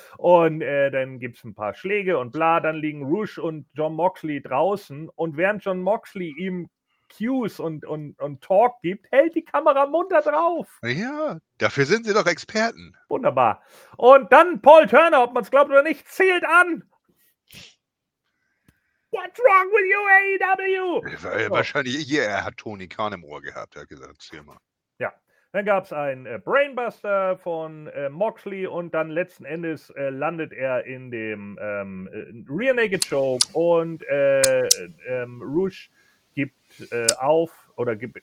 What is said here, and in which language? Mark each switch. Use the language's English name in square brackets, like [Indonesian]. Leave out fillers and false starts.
[German] Und dann gibt's ein paar Schläge und bla. Dann liegen Rouge und John Moxley draußen. Und während John Moxley ihm Cues und Talk gibt, hält die Kamera munter drauf. Ja, dafür sind sie doch Experten. Wunderbar. Und dann Paul Turner, ob man es glaubt oder nicht, zählt an. [English] What's wrong with you, AEW? [German] Wahrscheinlich, ja, er hat Tony Khan im Ohr gehabt, er hat gesagt, zähl mal. Ja, dann gab es einen Brainbuster von Moxley und dann letzten Endes landet er in dem Rear Naked Choke und Rouge gibt auf oder gibt.